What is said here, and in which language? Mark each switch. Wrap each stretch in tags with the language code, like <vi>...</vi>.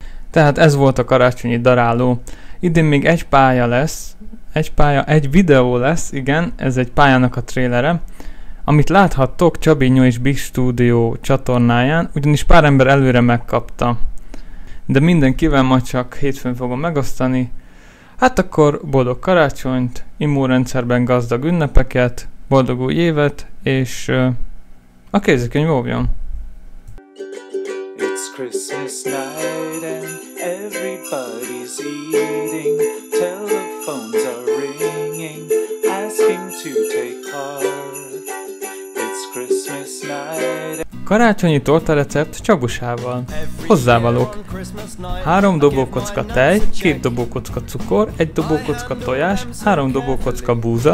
<hu>Tehát ez volt a karácsonyi daráló. Idén még egy pálya lesz, egy videó lesz, igen, ez egy pályának a trélere, amit láthattok Csabinyó és Big Studio csatornáján, ugyanis pár ember előre megkapta. De mindenkivel ma csak hétfőn fogom megosztani. Hát akkor boldog karácsonyt, immunrendszerben gazdag ünnepeket, boldog új évet, és a kézikönyv óvjon!</hu> <en>It's Christmas night and everybody's eating. Telephones are ringing, asking to take part. It's Christmas night.</en> <hu>Karácsonyi torta recept Csabusával. Hozzávalók: 3 dobókocka tej, 2 dobókocka cukor, 1 dobókocka tojás, 3 dobókocka búza,</hu>